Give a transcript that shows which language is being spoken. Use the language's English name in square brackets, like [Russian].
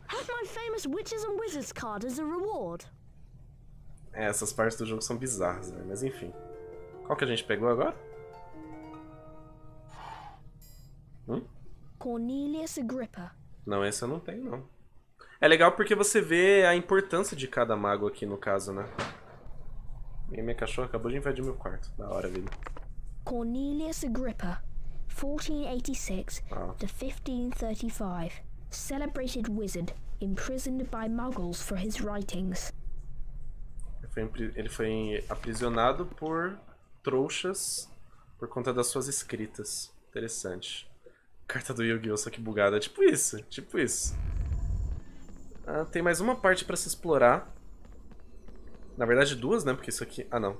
[English] Have my famous Witches and Wizards card as a reward. [Portuguese] É, essas partes do jogo são bizarras, né? Mas enfim. Qual que a gente pegou agora? [English] Cornelius Agrippa. [Portuguese] Não, esse eu não tenho, não. É legal porque você vê a importância de cada mago aqui, no caso, né? E minha cachorra acabou de invadir meu quarto. Da hora, vida. [English] Cornelius Agrippa, 1486 to 1535. Celebrated wizard, imprisoned by muggles for his writings. [Portuguese] Ele foi aprisionado por trouxas por conta das suas escritas. Interessante. Carta do Yu-Gi-Oh! Só que bugada. Tipo isso. Ah, tem mais uma parte pra se explorar. Na verdade, duas, né? Porque isso aqui... Ah, não.